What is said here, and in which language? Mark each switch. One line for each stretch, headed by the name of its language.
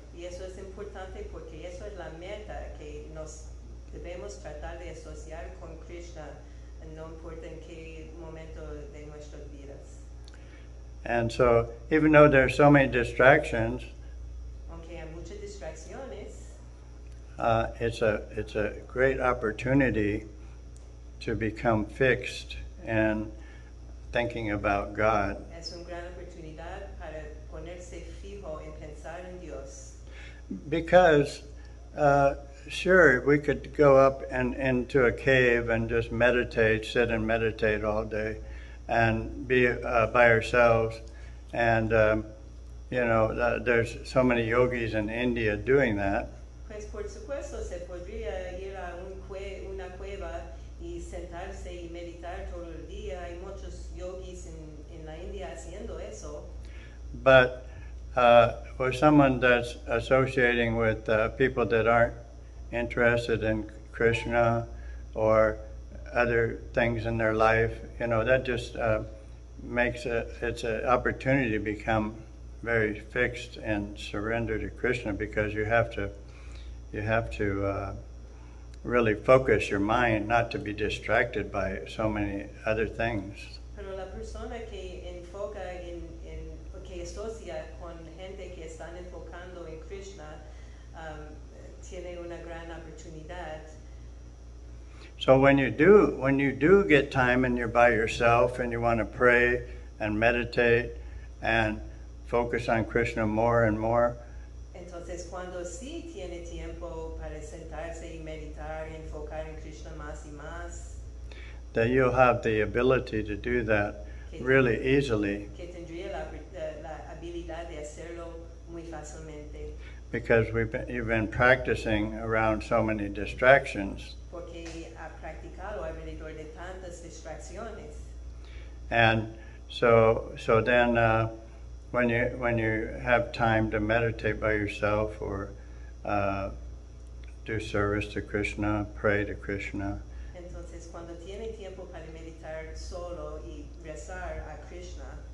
Spanish: Y eso es importante porque eso es la meta, que nos debemos tratar de asociar con Krishna, no importa en qué momento de nuestras vidas.
English: And so, even though there are so many distractions,
Spanish: aunque hay muchas distracciones,
English: it's a great opportunity to become fixed in thinking about God.
Spanish: Es una gran oportunidad para ponerse fijo en pensar en Dios.
English: Because, sure, we could go up and into a cave and just meditate, sit and meditate all day, and be by ourselves. And, you know, there's so many yogis in India doing that.
Spanish: Pues, por supuesto, se podría ir a una cueva y sentarse y meditar todo el día. Hay muchos yogis en la India haciendo eso.
English: But for someone that's associating with people that aren't interested in Krishna or other things in their life, you know, that just makes it's an opportunity to become very fixed and surrender to Krishna, because you have to really focus your mind not to be distracted by so many other things.
Spanish: Pero la persona que enfoca en que asocia con gente que están enfocando en Krishna tiene una gran oportunidad.
English: So when you do get time and you're by yourself and you want to pray and meditate and focus on Krishna more and more,
Spanish: entonces cuando sí tiene tiempo para sentarse y meditar y enfocar en Krishna más y más,
English: that you'll have the ability to do that really easily.
Spanish: Que tendría la habilidad de hacerlo muy fácilmente.
English: Because you've been practicing around so many distractions.
Spanish: Porque ha practicado alrededor de tantas distracciones.
English: And so then when you have time to meditate by yourself or do service to Krishna, pray to Krishna.
Spanish: Entonces, cuando tiene tiempo para meditar solo y rezar a Krishna,